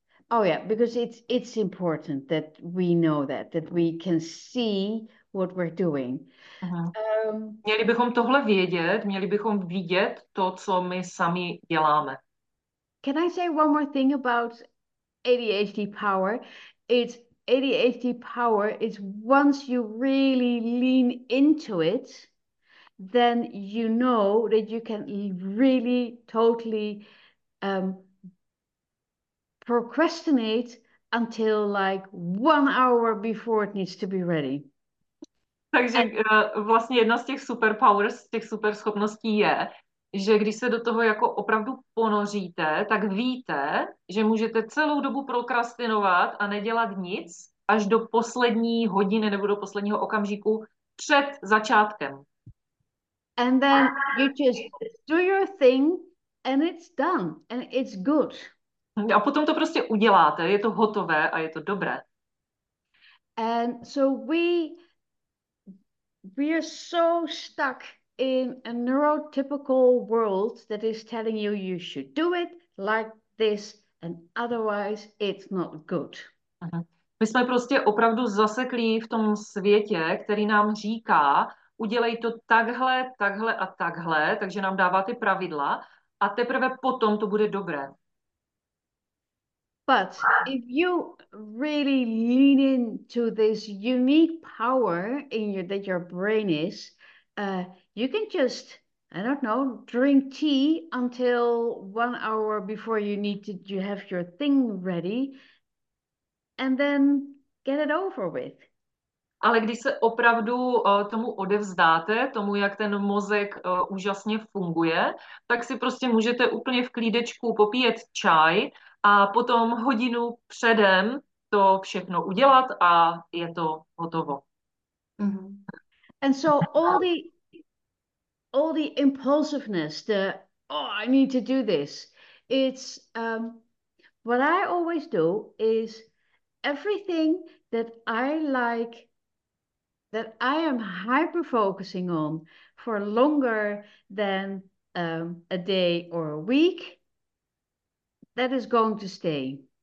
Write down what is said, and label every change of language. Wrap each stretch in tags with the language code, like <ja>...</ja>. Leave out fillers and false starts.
<en>Oh yeah, because it's important that we know that we can see what we're doing.</en> <cs>Měli bychom tohle vědět, měli bychom vidět to, co my sami děláme.</cs> <en>Can I say one more thing about ADHD power? It's ADHD power is once you really lean into it, then you know that you can really totally procrastinate until like 1 hour before it needs to be ready.</en> <cs>Takže vlastně jedna z těch superpowers, z těch superschopností je, že když se do toho jako opravdu ponoříte, tak víte, že můžete celou dobu prokrastinovat a nedělat nic až do poslední hodiny nebo do posledního okamžiku před začátkem.</cs> <en>And then you just do your thing and it's done and it's good.</en> <cs>A potom to prostě uděláte, je to hotové a je to dobré.</cs> <en>And so we are so stuck in a neurotypical world that is telling you you should do it like this and otherwise it's not good.</en> <cs>My jsme prostě opravdu zaseklí v tom světě, který nám říká, udělej to takhle, takhle a takhle, takže nám dává ty pravidla a teprve potom to bude dobré.</cs> <en>But if you really lean into this unique power in your, that your brain is, you can just, I don't know, drink tea until 1 hour before you need to, you have your thing ready and then get it over with.</en> <cs>Ale když se opravdu tomu odevzdáte, tomu, jak ten mozek úžasně funguje, tak si prostě můžete úplně v klídečku popíjet čaj a potom hodinu předem to všechno udělat a je to hotovo.</cs> <en>And so all the all the impulsiveness, the, oh, I need to do this. It's what I always do is everything that I like, that I am hyper focusing on for longer than a day or a week, that is going to stay.</en>